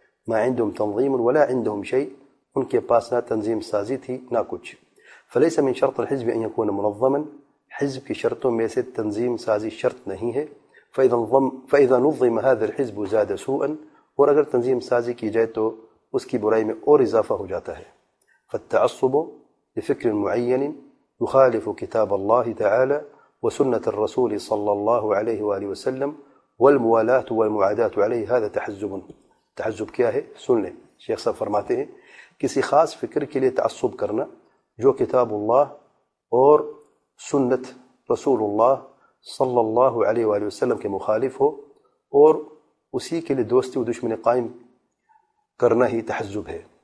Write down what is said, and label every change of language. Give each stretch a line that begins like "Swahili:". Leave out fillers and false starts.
Arabic: ما عندهم تنظیم ولا عندهم شيء,
Urdu: ان کے پاس نہ تنظیم سازی تھی نہ کچھ.
Arabic: فليس من شرط الحزب ان يكون منظما,
Urdu: حزب کی شرطوں میں سے تنظیم سازی شرط نہیں ہے.
Arabic: فإذا نظم هذا الحزب زاد سوءا,
Urdu: اور اگر تنظیم سازی کی جائے تو اس کی برائی میں اور اضافہ ہو جاتا ہے.
Arabic: فالتعصب لفکر معین يخالف کتاب اللہ تعالی وسنة الرسول صلى الله عليه وآلہ وسلم والموالاة والمعاداة عليه هذا تحزب.
Urdu: تحزب کیا ہے؟ سن لیں. شیخ صاحب فرماتے ہیں, کسی خاص فکر کے لیے تعصب کرنا جو کتاب اللہ اور سنت رسول اللہ صلی اللہ علیہ وآلہ وسلم کے مخالف ہو, اور اسی کے لیے دوستی و دشمنی قائم کرنا ہی تحزب ہے.